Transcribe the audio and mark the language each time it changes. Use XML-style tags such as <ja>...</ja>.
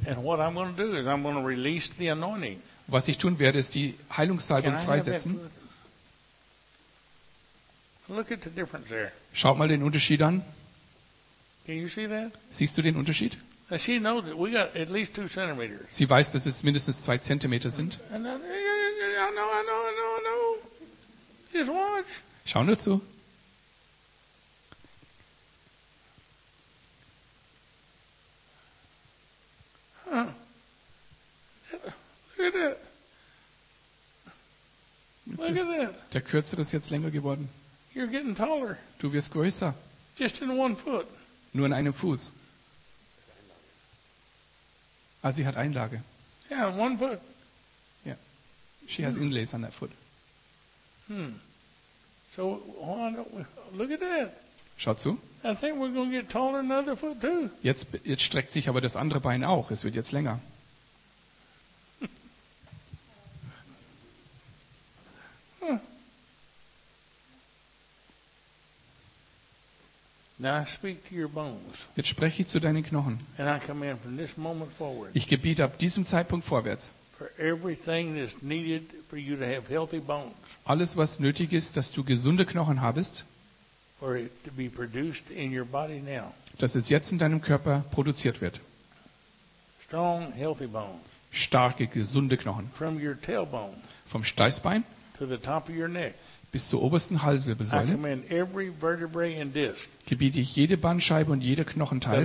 <en>And what I'm going to do is I'm going to release the anointing.</en> <de>Was ich tun werde, ist die Heilungssalbung freisetzen.</de> <en>Look at the difference there.</en> <de>Schaut mal den Unterschied an.</de> <en>Can you see that?</en> <de>Siehst du den Unterschied?</de> <en>She knows that we got at least 2 centimeters.</en> <de>Sie weiß, dass es mindestens 2 Zentimeter sind.</de> <en>I know. Just watch.</en> <de>Schau nur zu.</de> <en>Look at that. Look at that.</en> <de>Der kürzere ist jetzt länger geworden.</de> <en>You're getting taller.</en> <de>Du wirst größer.</de> <en>Just in one foot.</en> <de>Nur in einem Fuß. Ah, sie hat Einlage.</de> <en>Yeah, one foot. Yeah. She has inlays on that foot. So why don't we look at that?</en> <de>Schau zu.</de> <en>I think we're gonna get taller another foot too.</en> <de>Jetzt streckt sich aber das andere Bein auch. Es wird jetzt länger.</de> <en>Now I speak to your bones.</en> <de>Jetzt spreche ich zu deinen Knochen.</de> <en>And I command from this moment forward.</en> <de>Ich gebiete ab diesem Zeitpunkt vorwärts.</de> <en>For everything that's needed for you to have healthy bones.</en> <de>Alles was nötig ist, dass du gesunde Knochen habest.</de> <en>For it to be produced in your body now.</en> <de>Dass es jetzt in deinem Körper produziert wird.</de> <en>Strong, healthy bones.</en> <de>Starke, gesunde Knochen.</de> <en>From your tailbone.</en> <de>Vom Steißbein.</de> <en>To the top of your neck.</en> <de>Bis zur obersten Halswirbelsäule.</de> <en>I command every vertebrae and disc.</en> <de>Gebiete ich jede Bandscheibe und jeder Knochenteil.</de>